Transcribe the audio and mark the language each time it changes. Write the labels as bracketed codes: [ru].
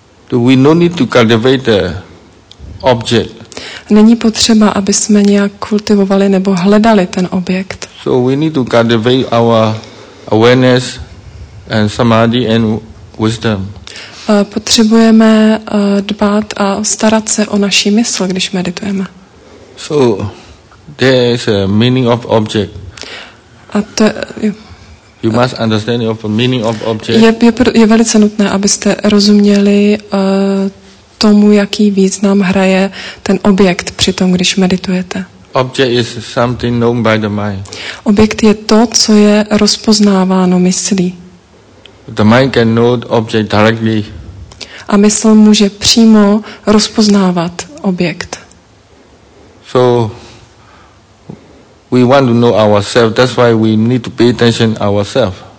[en] Do we no need to cultivate the object? [cs] Není potřeba, aby jsme nějak kultivovali nebo hledali ten objekt. [en] So we need to cultivate our awareness and samadhi and wisdom. [cs] Potřebujeme dbát a starat se o naši mysl, když meditujeme. [en] So there is a meaning of object. [cs] A to [en] you must understand the meaning of object. [cs] Je velice nutné, abyste rozuměli tomu, jaký význam hraje ten objekt při tom, když meditujete. [en] Object is something known by the mind. [cs] Objekt je to, co je rozpoznáváno myslí. [en] The mind can know the object directly. [cs] A mysl může přímo rozpoznávat objekt. [en] So we want to know ourselves, that's why we need to pay attention ourselves.